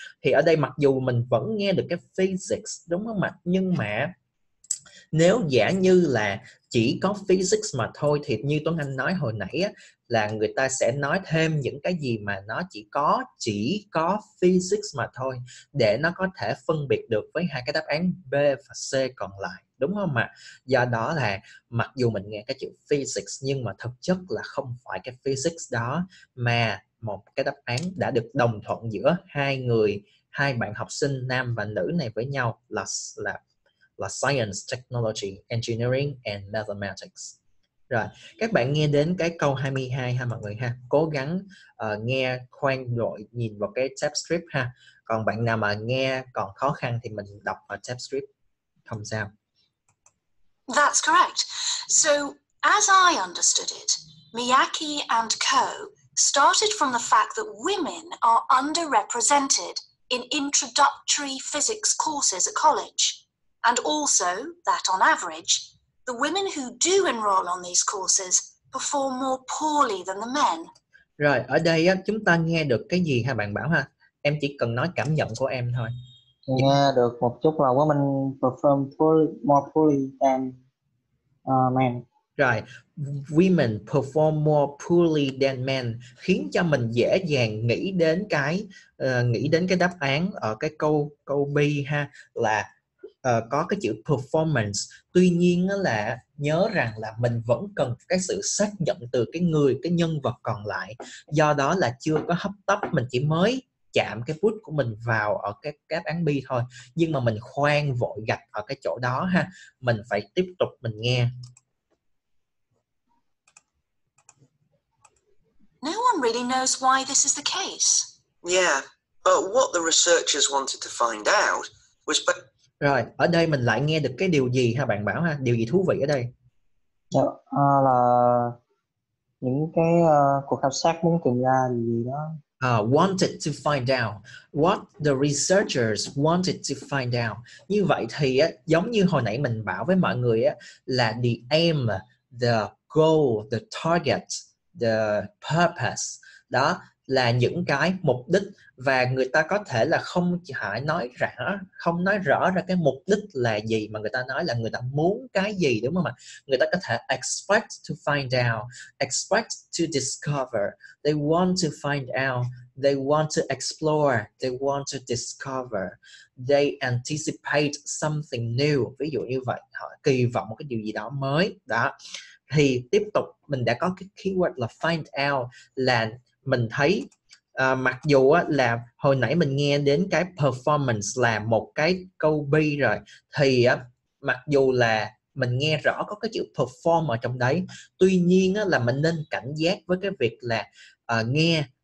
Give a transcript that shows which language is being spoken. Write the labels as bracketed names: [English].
[Vietnamese] Thì ở đây mặc dù mình vẫn nghe được cái physics, đúng không ạ? Nhưng mà nếu giả như là chỉ có physics mà thôi, thì như Tuấn Anh nói hồi nãy á, là người ta sẽ nói thêm những cái gì mà nó chỉ có physics mà thôi, để nó có thể phân biệt được với hai cái đáp án B và C còn lại, đúng không ạ? Do đó là mặc dù mình nghe cái chữ physics, nhưng mà thực chất là không phải cái physics đó, mà một cái đáp án đã được đồng thuận giữa hai người, hai bạn học sinh nam và nữ này với nhau, là [English] science, technology, engineering and mathematics. [Vietnamese] Rồi, các bạn nghe đến cái câu 22 ha mọi người ha. Cố gắng nghe khoan rồi nhìn vào cái tab script ha. Còn bạn nào mà nghe còn khó khăn thì mình đọc ở tab script, không sao. [English] That's correct. So, as I understood it, Miyake and Co started from the fact that women are underrepresented in introductory physics courses at college. And also that on average, the women who do enroll on these courses perform more poorly than the men. [Vietnamese] Rồi, ở đây á, chúng ta nghe được cái gì ha bạn Bảo ha? Em chỉ cần nói cảm nhận của em thôi. Nghe được một chút là quá mình [English] perform fully, more fully than men. [Vietnamese] Rồi, [English] women perform more poorly than men [Vietnamese] khiến cho mình dễ dàng nghĩ đến cái đáp án ở cái câu B ha, là có cái chữ performance. Tuy nhiên là nhớ rằng là mình vẫn cần cái sự xác nhận từ cái người, cái nhân vật còn lại. Do đó là chưa có hấp tấp, mình chỉ mới chạm cái bút của mình vào ở cái đáp án B thôi. Nhưng mà mình khoan vội gạch ở cái chỗ đó ha, mình phải tiếp tục mình nghe. [English] No one really knows why this is the case. Yeah, but what the researchers wanted to find out was... [Vietnamese] Rồi, ở đây mình lại nghe được cái điều gì ha bạn Bảo ha? Điều gì thú vị ở đây? Là những cái cuộc khảo sát muốn tìm ra gì đó. [English] Wanted to find out what the researchers wanted to find out. [Vietnamese] Như vậy thì giống như hồi nãy mình bảo với mọi người là [English] the aim, the goal, the target, the purpose. [Vietnamese] Đó là những cái mục đích, và người ta có thể là không phải nói rõ, không nói rõ ra cái mục đích là gì, mà người ta nói là người ta muốn cái gì, đúng không ạ? Người ta có thể [English] expect to find out, expect to discover, they want to find out, they want to explore, they want to discover, they anticipate something new. [Vietnamese] Ví dụ như vậy, họ kỳ vọng một cái điều gì đó mới. Đó thì tiếp tục mình đã có cái keyword là find out, là mình thấy mặc dù là hồi nãy mình nghe đến cái performance là một cái câu B rồi, thì mặc dù là mình nghe rõ có cái chữ perform ở trong đấy, tuy nhiên là mình nên cảnh giác với cái việc là nghe